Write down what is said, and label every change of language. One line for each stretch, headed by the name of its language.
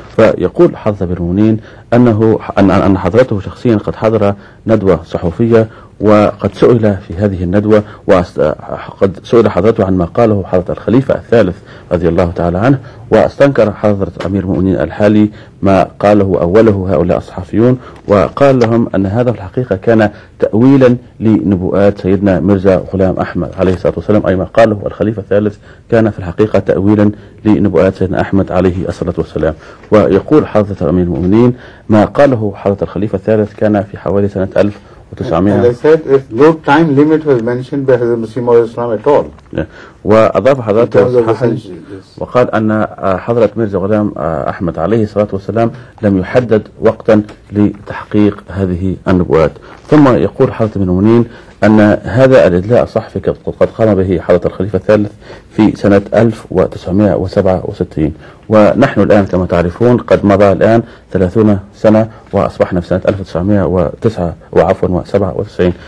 Arabic: فيقول حضرة أمير المؤمنين أن حضرته شخصيا قد حضر ندوة صحفية وقد سئل في هذه الندوة وقد سئل حضرته عن ما قاله حضرة الخليفة الثالث رضي الله تعالى عنه، واستنكر حضرة أمير المؤمنين الحالي ما قاله أوله هؤلاء الصحفيون، وقال لهم أن هذا في الحقيقة كان تأويلا لنبوءات سيدنا مرزا غلام أحمد عليه الصلاة والسلام، أي ما قاله الخليفة الثالث كان في الحقيقة تأويلا لنبوءات سيدنا أحمد عليه الصلاة والسلام. ويقول حضرة أمير المؤمنين ما قاله حضرة الخليفة الثالث كان في حوالي سنة 1900.
English: And I said, if no time limit was mentioned by Hazrat Masih Maud Islam at all.
Arabic: وأضاف حضرت وقال أن حضرت مرزا غلام أحمد عليه الصلاة والسلام لم يحدد وقتا لتحقيق هذه النبوات. ثم يقول حضرت من المؤمنين أن هذا الإدلاء الصحفي قد قام به حضرت الخليفة الثالث في سنة 1967، ونحن الآن كما تعرفون قد مضى الآن 30 سنة وأصبحنا في سنة 1997.